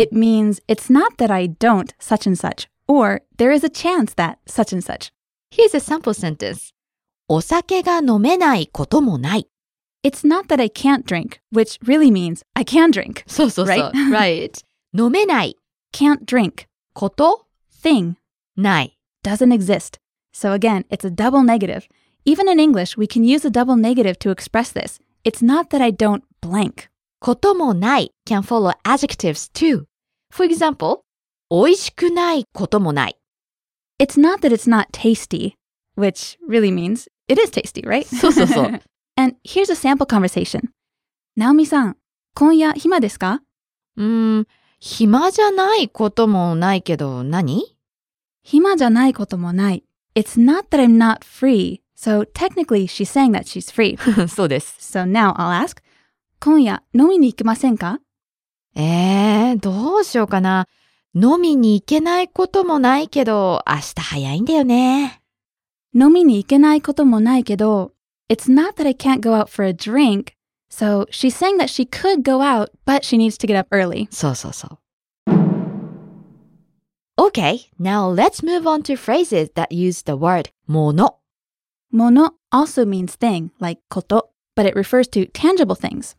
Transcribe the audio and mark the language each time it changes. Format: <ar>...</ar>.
<en>It means it's not that I don't such and such, or there is a chance that such and such. Here's a sample sentence.</en> <ja>お酒が飲めないこともない。</ja> <en>It's not that I can't drink, which really means I can drink.</en> <ja>そうそうそう。</ja> <en>Right? Right.</en> <ja>飲めない。</ja> <en>Can't drink.</en> <ja>こと。</ja> <en>Thing.</en> <ja>ない。</ja> <en>Doesn't exist. So again, it's a double negative. Even in English, we can use a double negative to express this. It's not that I don't blank. こともない can follow adjectives too. For example,</en> <ja>おいしくないこともない。</ja> <en>It's not that it's not tasty, which really means it is tasty, right?</en> <ja>そうそうそう。</ja> <en>And here's a sample conversation.</en> <ja>ナオミさん、今夜暇ですか？暇じゃないこともないけど、何？暇じゃないこともない。</ja> <en>It's not that I'm not free. So technically, she's saying that she's free.</en> <ja>そうです。</ja> <en>So now I'll ask,</en> <ja>今夜飲みに行きませんか？どうしようかな。飲みに行けないこともないけど、明日早いんだよね。飲みに行けないこともないけど、</ja> <en>It's not that I can't go out for a drink. So she's saying that she could go out, but she needs to get up early.</en> <ja>そうそうそう。</ja> <en>Okay, now let's move on to phrases that use the word mono. Mono also means thing, like koto, but it refers to tangible things.</en>